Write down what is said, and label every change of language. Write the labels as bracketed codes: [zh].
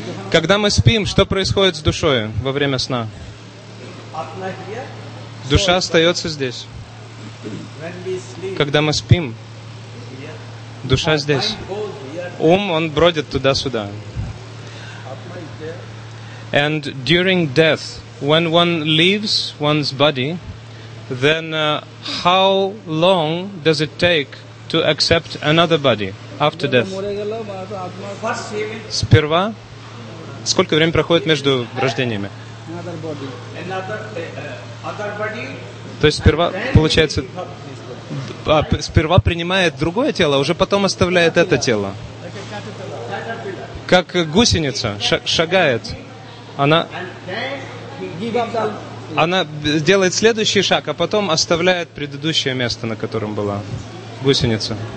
[ru] Когда мы спим, что происходит с душой во время сна? Душа остается здесь. Когда мы спим, душа здесь. Ум, он бродит туда-сюда. [en] And during death, when one leaves one's body, then how long does it take to accept another body after death? [ru] Сперва? Сколько времени проходит между рождениями? То есть сперва получается, сперва принимает другое тело, уже потом оставляет это тело. Как гусеница шагает, она делает следующий шаг, а потом оставляет предыдущее место, на котором была гусеница.